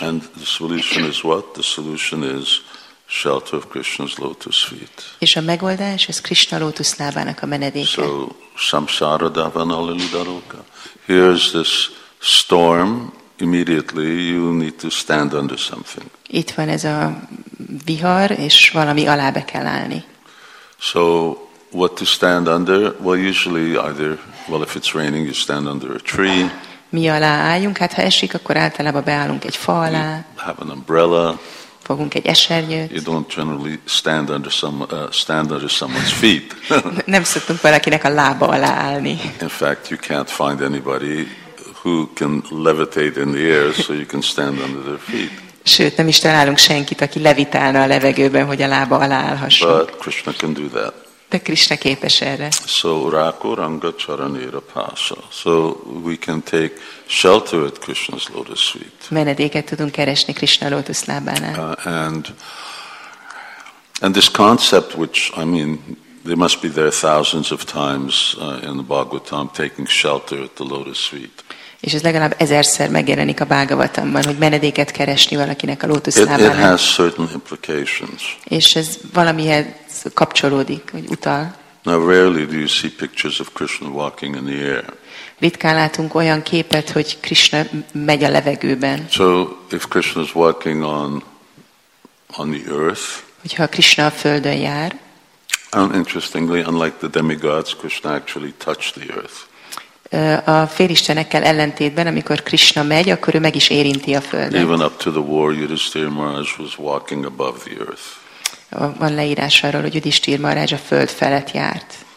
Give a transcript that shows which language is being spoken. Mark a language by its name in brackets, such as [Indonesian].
[English] And the solution is what? The solution is shelter of Krishna's lotus feet. [Hungarian] És a megoldás, ez Krishna lotus lábának a menedéke. [Sanskrit] So samsara davana lidaroka. [English] Here's this storm, immediately you need to stand under something. [Hungarian] Itt van ez a vihar, és valami alá be kell állni. [English] So what to stand under? Well, usually either, well, if it's raining, you stand under a tree. [Hungarian] Mi alá álljunk? Hát ha esik, akkor általában beállunk egy fa alá. [English] You have an umbrella. [Hungarian] Fogunk egy esernyőt. [English] You don't generally stand under someone's feet. [Hungarian] Nem szoktunk valakinek a lába alá állni. [English] In fact, you can't find anybody who can levitate in the air so you can stand under their feet. [Hungarian] Sőt, nem is találunk senkit, aki levitálna a levegőben, hogy a lába alá állhasson. [English] But Krishna can do that. [Hungarian] De Krishna képes erre. [Bangla] So rako ranga charanira pasa. [English] So we can take shelter at Krishna's lotus feet. [Hungarian] Menedéket tudunk keresni Krishna lotus lábánál. [English] And this concept, which I mean, they must be there thousands of times in the Bhagavatam, taking shelter at the lotus feet. [Hungarian] És ez legalább ezerszer megjelenik a Bhagavatamban, hogy menedéket keresni valakinek a lótusz lábánál. [English] It has certain implications. [Hungarian] És ez valamihez kapcsolódik, hogy utal. [English] Now rarely do you see pictures of Krishna walking in the air. [Hungarian] Ritkán látunk olyan képet, hogy Krishna megy a levegőben. [English] So if Krishna is walking on the earth. [Hungarian] Hogyha Krishna a földön jár. [English] And interestingly, unlike the demigods, Krishna actually touched the earth. [Hungarian] A félistenekkel ellentétben, amikor Krishna megy, akkor ő meg is érinti a földet. [English] Even up to the war, Yudhisthira Maharaj was walking above the earth. [Hungarian] Van leírás arról, hogy Yudhisthira Maharaj a föld felett járt.